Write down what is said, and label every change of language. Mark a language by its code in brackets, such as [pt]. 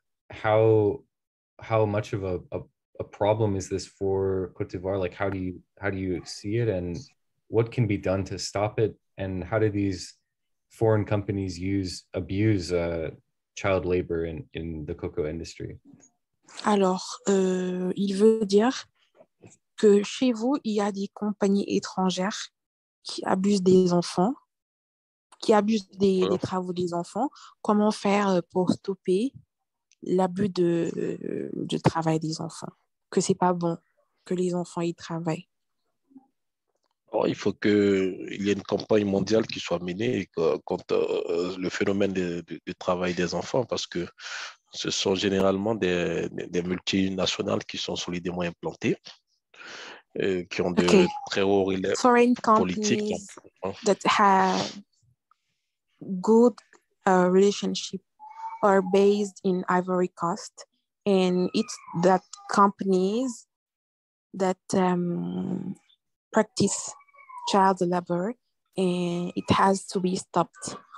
[en] How much of a problem is this for Côte d'Ivoire? Like, how do you see it, and what can be done to stop it? And how do these foreign companies abuse child labor in the cocoa industry? [fr] Alors, il veut dire que chez vous il y a des compagnies étrangères qui abusent des enfants, qui abusent des travaux des enfants. Comment faire pour stopper l'abus de travail des enfants? Que c'est pas bon que les enfants y travaillent. Oh, il faut qu'il y ait une campagne mondiale qui soit menée contre le phénomène du travail des enfants, parce que ce sont généralement des multinationales qui sont sur les démons implantés, qui ont de très hauts relais [en] foreign [fr] politiques. [en] Foreign companies that have good relationship are based in Ivory Coast, and it's that companies that practice child labor, and it has to be stopped.